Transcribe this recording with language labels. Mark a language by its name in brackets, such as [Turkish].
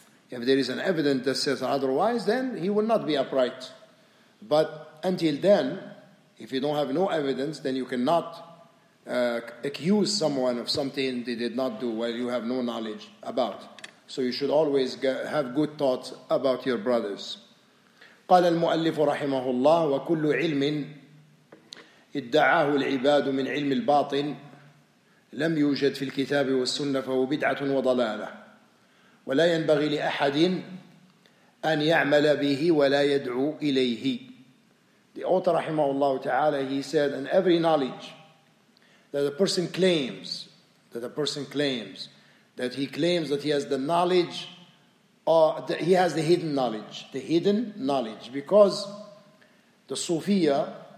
[English] If there is an evidence that says otherwise, then he will not be upright. But until then, if you don't have no evidence, then you cannot accuse someone of something they did not do while you have no knowledge about. So you should always have good thoughts about your brothers. [Arabic] قال المؤلف رحمه الله وكل علم ادعاه العباد من علم الباطن لم يوجد في الكتاب والسنة فهو بدعة وضلالة ولا ينبغي لأحد أن يعمل به ولا يدعو إليه. [English] The author رحمه الله تعالى, he said, and every knowledge that a person claims that he has the knowledge, or that he has the hidden knowledge, because the Sufiya